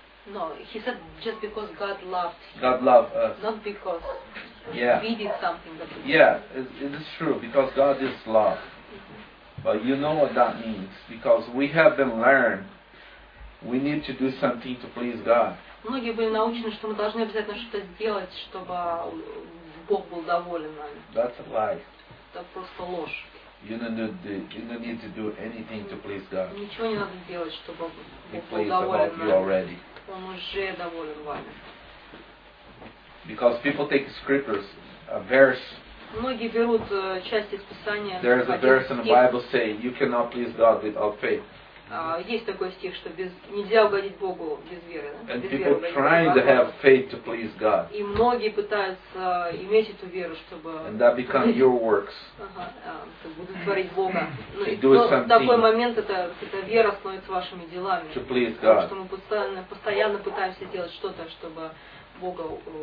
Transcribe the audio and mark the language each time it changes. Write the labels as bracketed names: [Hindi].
[English] No, he said just because God loved him. God loved us. Not because yeah. we did something. That yeah, it is true, because God is love. But you know what that means, because we have been learned, we need to do something to please God. [Russian] Многие были научены, что мы должны обязательно что-то сделать, чтобы Бог был доволен нами. [English] That's a lie. [Russian] Это просто ложь. [English] You don't need to do anything to please God. [Russian] Ничего не надо делать, чтобы Бог был доволен нами. [English] He pleased about you already. [Russian] Он уже доволен вами. [English] Because people take scriptures, a verse. [Russian] Многие берут части из Писания. [English] There is a verse in the Bible saying you cannot please God without faith. [Russian] Есть такой стих, что без нельзя угодить Богу без веры, да? [English] And people trying to have faith to please God. [Russian] И многие пытаются иметь эту веру, чтобы. [English] And that become your works. [Russian] Будут творить Бога. Но такой момент это вера становится вашими делами. [English] To please God. [Russian] Потому что мы постоянно пытаемся делать что-то, чтобы Бога.